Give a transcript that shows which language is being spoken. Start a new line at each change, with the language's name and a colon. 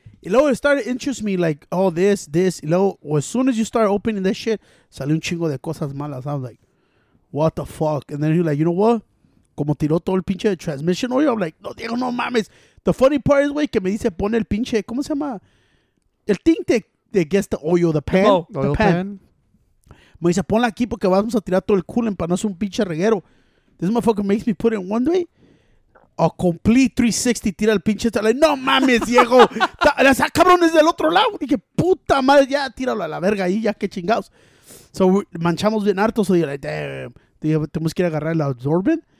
English: Y luego it started to interest me, like, oh, this. Y luego, as soon as you start opening this shit,
Spanish: salió un chingo de cosas malas.
English: I was like, what the fuck? And then he was like, you know what?
Spanish: Como tiró todo el pinche
English: transmission oil. I'm like, no, Diego, no mames. The funny part is, güey,
Spanish: que me dice, pone el pinche, ¿cómo se llama? El
English: thing that gets the oil, the pan. Oil pan.
Spanish: Me dice, ponla aquí porque vamos a tirar todo el coolant para no hacer un pinche reguero.
English: This motherfucker makes me put it in one way. A complete 360
Spanish: tira el pinche. Like, no mames, Diego. Las cabrones del otro lado. Dije, puta madre, ya tíralo a la verga ahí, ya qué chingados. So manchamos bien harto.
English: So like, damn.
Spanish: Dije, tenemos que ir a agarrar el absorbent.